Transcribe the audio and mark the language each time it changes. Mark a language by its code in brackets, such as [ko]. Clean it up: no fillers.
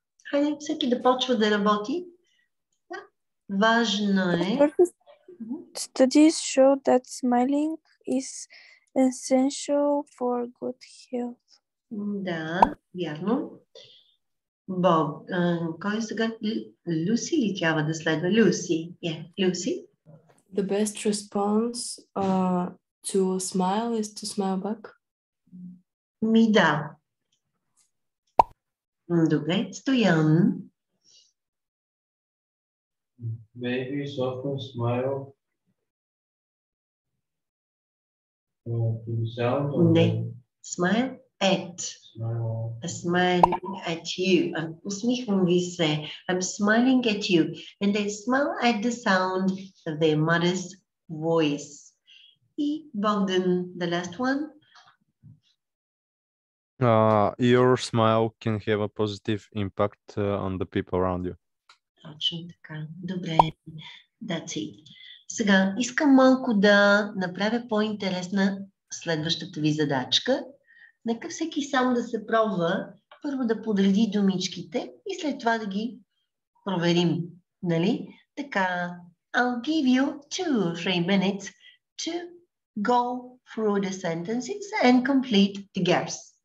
[bg] Хайде всеки да почва да работи. Да. Важно е. [en] Studies show that smiling is essential for good health. [bg] Да, вярно. Бог, кой сега? Люси ли трябва да следва? Люси. Yeah, Люси. [en] The best response to a smile is to smile back. [bg] Ми да. Добре, Стоян. [en] Maybe often smile to the sound. Не. Smile at. Smiling at you. [bg] Усмихвам ви се. [en] I'm smiling at you. And they smile at the sound of their mother's voice. И Bogdan, the last one. Your smile can have a positive impact on the people around you. [bg] Точно така. Добре. [en] That's it. [bg] Сега искам малко да направя по-интересна следващата ви задачка. Нека всеки сам да се пробва първо да подреди думичките и след това да ги проверим. Нали? Така, [en] I'll give you 2-3 minutes to go through the sentences and complete the gaps.